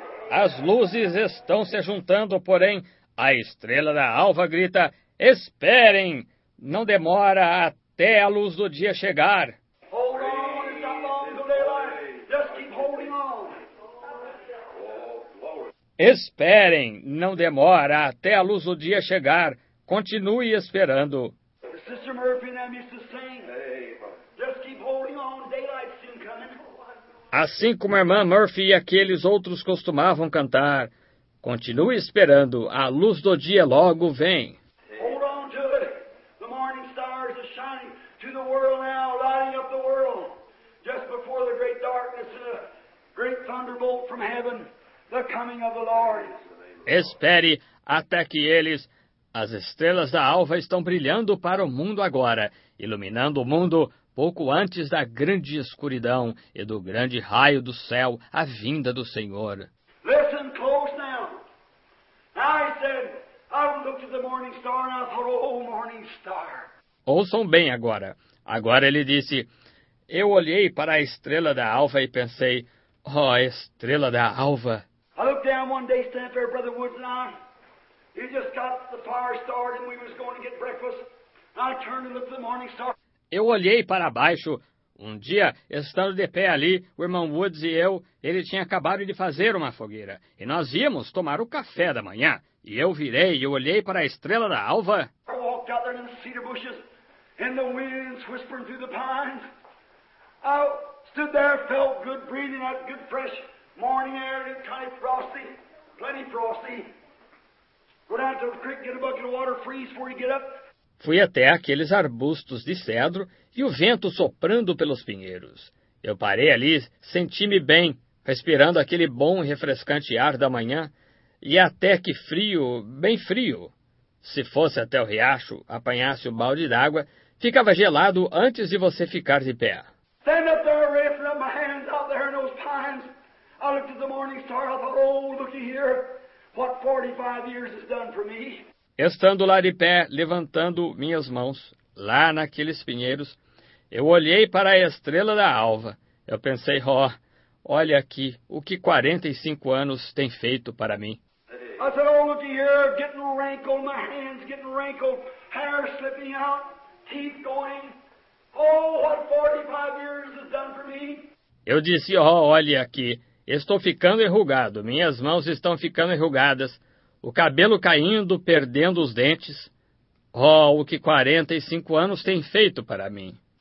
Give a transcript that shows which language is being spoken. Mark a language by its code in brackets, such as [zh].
[pt] As luzes estão se juntando, porém, a estrela da alva grita: esperem! Não demora até a luz do dia chegar. [en] Hold on, it's a long delay. Just keep holding on. [pt] Esperem, não demora até a luz do dia chegar. Continue esperando. [en] Sister Murphy and them used to sing. Just keep holding on, daylight's soon coming. [pt] Assim como a irmã Murphy e aqueles outros costumavam cantar: continue esperando, a luz do dia logo vem. [en] Hold on to it. The morning stars are shining to the world now, lighting up the world. Just before the great darkness and a great thunderbolt from heaven. The coming of the Lord. [pt] Espere até que eles... As estrelas da alva estão brilhando para o mundo agora, iluminando o mundo pouco antes da grande escuridão e do grande raio do céu, a vinda do Senhor. [en] Listen close now. I said, I looked at the morning star and I thought, oh, morning star. [pt] Ouçam bem agora. Agora ele disse: eu olhei para a estrela da alva e pensei, ó, estrela da alva. [en] I looked down one day, stand there, Brother Woods and I. He just got the fire started and we was going to get breakfast. I turned and looked at the morning star. [pt] Eu olhei para baixo. Um dia, estando de pé ali, o irmão Woods e eu, ele tinha acabado de fazer uma fogueira. E nós íamos tomar o café da manhã. E eu virei e olhei para a estrela da alva. [en] I walked out there in the cedar bushes, and the winds whispering through the pines. I stood there, felt good breathing, that good fresh morning air, and kind of frosty, plenty frosty. Go down to the creek, get a bucket of water, freeze before you get up. [pt] Fui até aqueles arbustos de cedro e o vento soprando pelos pinheiros. Eu parei ali, senti-me bem, respirando aquele bom e refrescante ar da manhã, e até que frio, bem frio. Se fosse até o riacho, apanhasse o balde d'água, ficava gelado antes de você ficar de pé. [en] Stand up there, raising up my hands out there in those pines. I looked at the morning star, I thought, oh, looky here, what 45 years has done for me. [pt] Estando lá de pé, levantando minhas mãos, lá naqueles pinheiros, eu olhei para a estrela da alva. Eu pensei, ó, oh, olha aqui o que 45 anos tem feito para mim. [en] I said, oh, look here, getting wrinkled, my hands getting wrinkled, hair slipping out, teeth going. Oh, what 45 years has done for me. [pt] Eu disse, ó, oh, olha aqui, estou ficando enrugado, minhas mãos estão ficando enrugadas. O cabelo caindo, perdendo os dentes. Oh, o que 45 anos tem feito para mim.